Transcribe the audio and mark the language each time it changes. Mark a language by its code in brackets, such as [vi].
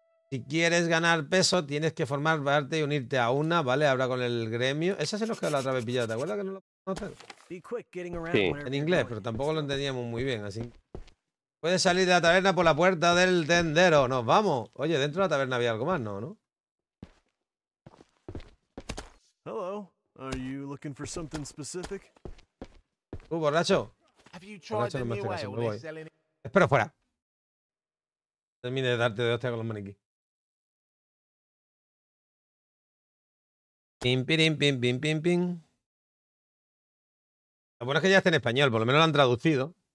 [es] Si quieres ganar peso, tienes que formar parte y unirte a una, ¿vale? Habla con el gremio. Esa se nos quedó la otra vez pillada, ¿te acuerdas que no lo conoces? Sí. En inglés, pero tampoco lo entendíamos muy bien, así. Puedes salir de la taberna por la puerta del tendero. ¡Nos vamos! Oye, dentro de la taberna había algo más, ¿no? ¿No? [en] Hello. Are you looking for something specific? [es] Borracho. Borracho, no me hace caso, me voy. Espero fuera. Termine de darte de hostia con los maniquí. Pim, pim, pim, pim, pim, pim. Lo bueno es que ya está en español, por lo menos lo han traducido.